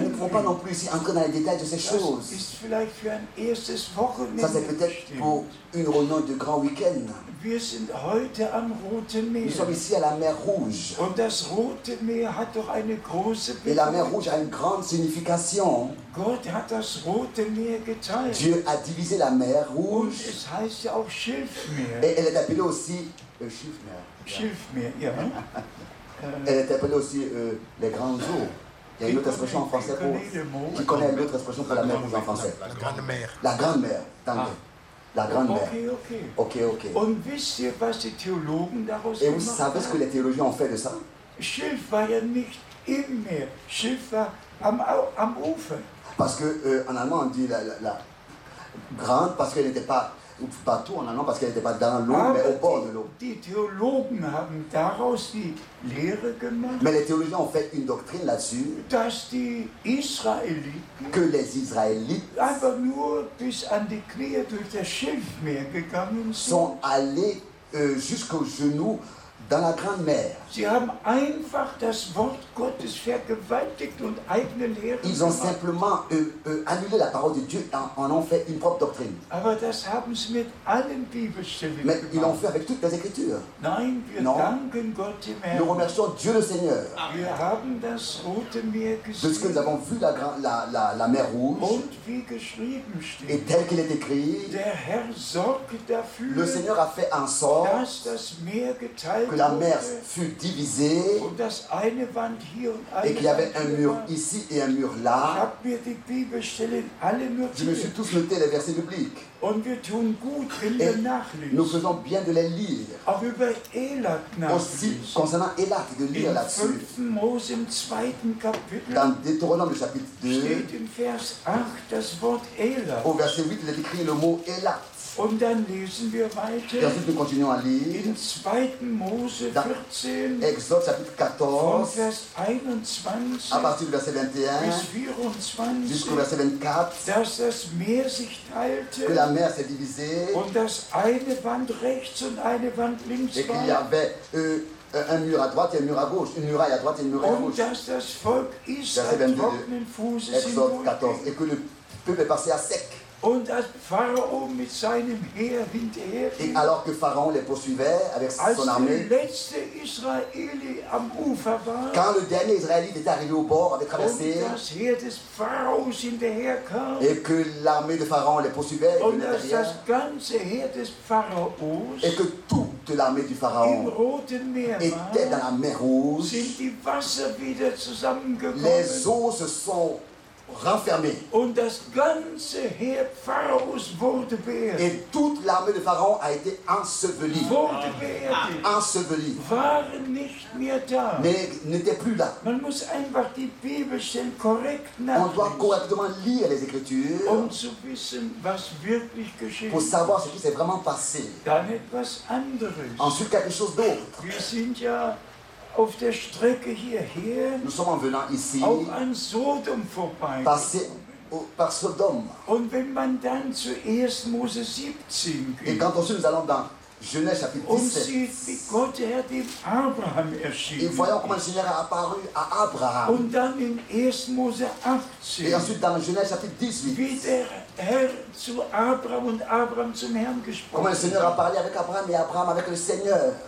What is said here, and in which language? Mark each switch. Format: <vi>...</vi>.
<fr>nous ne pouvons pas non plus ici entrer dans les détails de ces choses. Ça, c'est peut-être pour une réunion de grand week-end.</fr> <de>Wir sind heute am Roten Meer.</de> <fr>Nous sommes ici à la mer Rouge.</fr> <de>Und das Rote Meer hat doch eine große Bedeutung.</de> <fr>Et la mer Rouge a une grande signification.</fr> <de>Gott hat das Rote Meer geteilt.</de> <fr>Dieu a divisé la mer Rouge.</fr> <de>Und es heißt ja auch Schilfmeer.</de> <fr>Et elle est appelée aussi le Schilfmeer.</fr> <de>Schilfmeer, ja.</de> <fr>Elle est appelée aussi les grandes eaux. Il y a une autre expression en français pour. Qui connaît l'autre expression pour la mer Rouge en français? La grande mer. La grande mer. Attendez. La grande mère. Okay, okay. Okay, okay.</fr> <de>Und wisst ihr, was die Theologen daraus</de> <fr>Et vous savez ce que les théologiens ont fait de ça?</fr> <de>Schilf war ja nicht im Meer. Schilf war am Ufer.</de> <fr>Parce que en allemand on dit la grande parce qu'elle n'était pas ou bateau en allemand parce qu'elle n'était pas dans l'eau mais au bord de l'eau.</fr> <de>Die Theologen haben daraus die Lehre gemacht.</de> <fr>Mais les théologiens ont fait une doctrine là-dessus.</fr> <de>Dass die Israeliten.</de> <fr>Que les Israélites.</fr> <de>Einfach nur bis an die Knie durch das Schilfmeer gegangen sind.</de> <fr>Sont allés jusqu'aux genoux dans la grande mer.</fr> <de>Sie haben einfach das Wort Gottes vergewaltigt und eigene Lehren.</de> <fr>Ils ont simplement annulé la parole de Dieu et en ont fait une propre doctrine.</fr> <de>Aber das haben sie mit allen Bibelstellen gemacht.</de> <fr>Mais ils l'ont fait avec toutes les Écritures.</fr> <de>Nein, wir</de> <fr>non.</fr> <de>Danken Gott im Herrn.</de> <fr>Nous remercions Dieu le Seigneur.</fr> <de>Wir haben das Rote Meer gesehen.</de> <fr>De ce que nous avons vu la mer Rouge.</fr> <de>Und wie geschrieben steht.</de> <fr>Et tel qu'il est écrit.</fr> <de>Der Herr sorgt dafür.</de> <fr>Le Seigneur a fait en sorte.</fr> <de>Dass das Meer geteilt</de> <fr>que la mer fut divisée et qu'il y avait un mur ici et un mur là. Je me suis tous noté les versets bibliques.</fr> <de>Und wir tun gut in der Nachlese.</de> <fr>Nous faisons bien de les lire.</fr> <de>Auch über Elat</de> <fr>aussi concernant Elat de lire</fr> <de>in</de> <fr>là-dessus.</fr> <de>5. Mose im 2. Kapitel.</de> <fr>Dans Deutéronome chapitre 2.</fr> <de>Steht in Vers 8 das Wort Elat.</de> <fr>Au verset 8, il est écrit le mot Elat.</fr> <de>Und dann lesen wir weiter.</de> <fr>Et ensuite, nous continuons à lire.</fr> <de>In 2. Mose 14.</de> <fr>Exode chapitre 14.</fr> <de>Von Vers 21.</de> <fr>À partir du verset 21.</fr> <de>Bis 24.</de> <fr>Jusqu'au verset 24.</fr> <de>Dass das Meer sich teilte.</de> <fr>Que la mer s'est divisée.</fr> <de>Und dass eine Wand rechts und eine Wand links war.</de> <fr>Et qu'il y avait un mur à droite et un mur à gauche. Une muraille à droite et une muraille à gauche.</fr> <de>Und dass das Volk Israel trockenen Fußes im Mund. Exode 14.</de> <fr>Et que le peuple est passé à sec.</fr> <de>Und dass Pharao mit seinem Heer hinterher ging.</de> <fr>Et alors que Pharaon les poursuivait avec son armée.</fr> <de>Als der letzte Israeli am Ufer war.</de> <fr>Quand le dernier Israélite était arrivé au bord, avait traversé.</fr> <de>Und das Heer des Pharaos hinterher kam.</de> <fr>Et que l'armée de Pharaon les poursuivait.</fr> <de>Und dass das ganze Heer des Pharaos.</de> <fr>Et que toute l'armée du Pharaon.</fr> <de>Im Roten Meer war.</de> <fr>Était dans la mer Rouge.</fr> <de>Sind die Wasser wieder zusammengekommen.</de> <fr>Les eaux se sont renfermé.</fr> <de>Und das ganze Heer Pharaos wurde wehr.</de> <fr>Et toute l'armée de Pharaon a été ensevelie.</fr> <de>Wurde wehr.</de> <fr>Ensevelie.</fr> <de>War nicht mehr da.</de> <fr>Mais n'était plus là.</fr> <de>Man muss einfach die Bibelstellen korrekt nachlesen.</de> <fr>On doit correctement lire les Écritures.</fr> <de>Um zu wissen, was wirklich geschehen.</de> <fr>Pour savoir ce qui s'est vraiment passé.</fr> <de>Dann etwas anderes.</de> <fr>Ensuite quelque chose d'autre.</fr> <de>Wir sind ja auf der Strecke hierher,</de> <fr>nous sommes en venant ici,</fr> <de>auch an Sodom vorbei.</de> <fr>Par Sodom.</fr> <de>Und wenn man dann zu 1. Mose 17 geht,</de> <fr>et quand ensuite nous allons dans Genèse chapitre 17,</fr> <de>wie Gott Herr dem Abraham erschien,</de> <fr>et voyons comment le Seigneur a apparu à Abraham,</fr> <de>und dann in 1. Mose 18,</de> <fr>et ensuite dans Genèse chapitre 18,</fr> <de>wie der Herr zu Abraham und Abraham zum Herrn gesprochen.</de> <fr>Comment le Seigneur a parlé avec Abraham et Abraham avec le Seigneur.</fr>